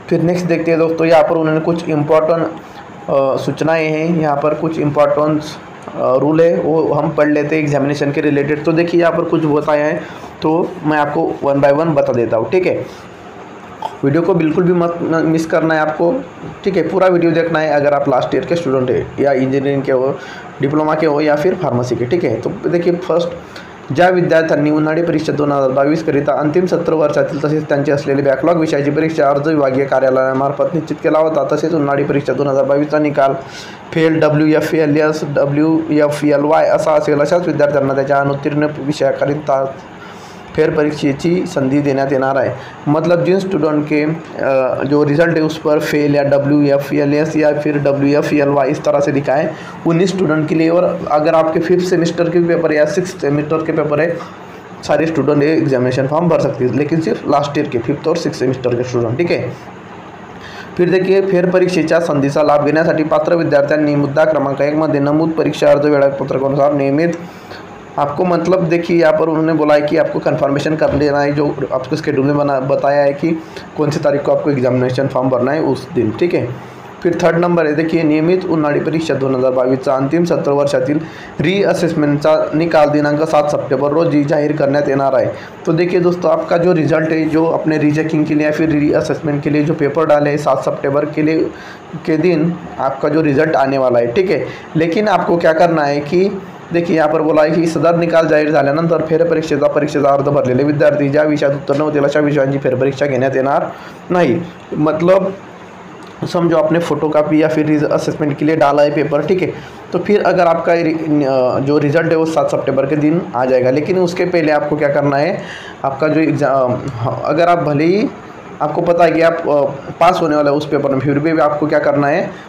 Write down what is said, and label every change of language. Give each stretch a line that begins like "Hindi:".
Hindi: फिर नेक्स्ट देखते हैं दोस्तों, यहाँ पर उन्होंने कुछ इम्पॉर्टेंट सूचनाएँ हैं, यहाँ पर कुछ इम्पॉर्टेंट रूल है वो हम पढ़ लेते हैं एग्जामिनेशन के रिलेटेड। तो देखिए, यहाँ पर कुछ बताया है तो मैं आपको 1 बाय 1 बता देता हूँ, ठीक है। वीडियो को बिल्कुल भी मत मिस करना है आपको, ठीक है, पूरा वीडियो देखना है अगर आप लास्ट ईयर के स्टूडेंट हैं या इंजीनियरिंग के हो, डिप्लोमा के हो या फिर फार्मेसी के, ठीक है। तो देखिए, फर्स्ट,
Marathi: ज्या विद्यार्थ्यांनी उन्हाळी परीक्षा 2022 करिता अंतिम सत्र वर्षातील तसेच त्यांचे असलेले बॅकलॉग विषयाची परीक्षा अर्ज विभागीय कार्यालयामार्फत निश्चित केला होता, तसेच उन्हाळी परीक्षा 2022 निकाल फेल, WFLS, WFLY असा असेल अशाच विद्यार्थ्यांना त्याच्या अनुत्तीर्ण विषयाकरिता फेरपरीक्षेची संधी देण्यात येणार आहे।
Hindi: मतलब जिन स्टूडेंट के जो रिजल्ट है उस पर फेल या WFLS या फिर WFLY इस तरह से लिखा है उन्हीं स्टूडेंट के लिए, और अगर आपके फिफ्थ सेमेस्टर के पेपर या सिक्स सेमेस्टर के पेपर है सारे स्टूडेंट एग्जामिनेशन फॉर्म भर सकते हैं, लेकिन सिर्फ लास्ट ईयर के फिफ्थ और सिक्स सेमेस्टर के स्टूडेंट, ठीक है। फिर देखिए,
Marathi: फेर परीक्षेच्या संधीचा लाभ घेण्यासाठी पात्र विद्यार्थ्यांनी मुद्दा क्रमांक 1 मध्ये नमूद परीक्षा अर्ज वेळापत्रकानुसार नियमित
Hindi: आपको, मतलब देखिए यहाँ पर उन्होंने बोला है कि आपको कन्फर्मेशन कर लेना है, जो आपको स्केड्यूल में बताया है कि कौन सी तारीख को आपको एग्जामिनेशन फॉर्म भरना है उस दिन, ठीक है। फिर थर्ड नंबर है, देखिए,
Marathi: नियमित उन्हाळी परीक्षा 2022 अंतिम सत्र वर्षातील री असेसमेंटचा निकाल दिनांक 7 सप्टेंबर रोजी जाहीर करण्यात येणार आहे।
Hindi: तो देखिए दोस्तों, आपका जो रिजल्ट है जो अपने रीचेकिंग के लिए या फिर री असेसमेंट के लिए जो पेपर डाले हैं 7 सप्टेंबर के लिए के दिन आपका जो रिजल्ट आने वाला है, ठीक है। लेकिन आपको क्या करना है कि
Marathi: देखिए, यहाँ पर बोला है कि सदर निकाल जाहीर झाल्यानंतर फेरपरीक्षेचा परीक्षेचा अर्ध भरलेले विद्यार्थी ज्या विषयात उत्तीर्ण होतील अशा विषयांची फेरपरीक्षा घेण्यात येणार नाही।
Hindi: मतलब समझो आपने फोटोकॉपी या फिर असेसमेंट के लिए डाला है पेपर, ठीक है, तो फिर अगर आपका जो रिजल्ट है वो 7 सितंबर के दिन आ जाएगा, लेकिन उसके पहले आपको क्या करना है, आपका जो एग्जाम, अगर आप भले ही आपको पता है कि आप पास होने वाले हैं उस पेपर में, फिर भी आपको क्या करना है,